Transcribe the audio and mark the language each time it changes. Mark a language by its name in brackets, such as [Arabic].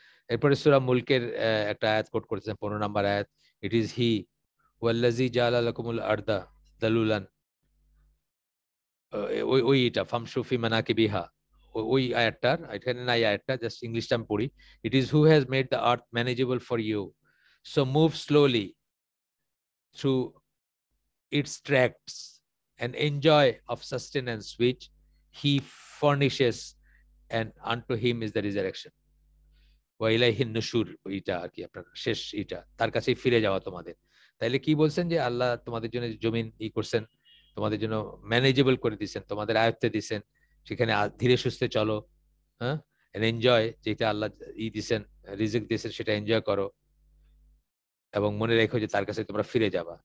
[Bangla] এরপরে সুরা মুলকের একটা আয়াত কোট করতেছে, 15 নম্বর আয়াত, [English] it is হি [Arabic] ওয়াল্লাযি জাআলা লাকুমুল আরদা দালুলান, [Bangla] ওই ওই এটা [Arabic] ফামশু ফি মানাকিবিহা, [Bangla] ওই আয়াতটার এখানে নাই আয়াতটা, জাস্ট ইংলিশটা আমি পড়ি, [English] It is who has made the earth manageable for you, so move slowly through its tracts, an enjoy of sustenance which he furnishes, and unto him is the resurrection. [Arabic] ওয়াইলাইহি নুশুর, [Bangla] এটা আর কি আপনার শেষ, এটা তার কাছেই ফিরে যাওয়া তোমাদের। তাহলে কি বলছেন যে আল্লাহ তোমাদের জন্য জমিন ই করছেন, তোমাদের জন্য ম্যানেজেবল করে দিছেন, তোমাদের আয়ত্তে দিছেন, সেখানে ধীরে সুস্থে চলো, হ্যাঁ, এনজয়, যেটা আল্লাহ ই দিছেন, রিজিক দিছেন, সেটা এনজয় করো এবং মনে রেখো যে তার কাছে তোমরা ফিরে যাবা।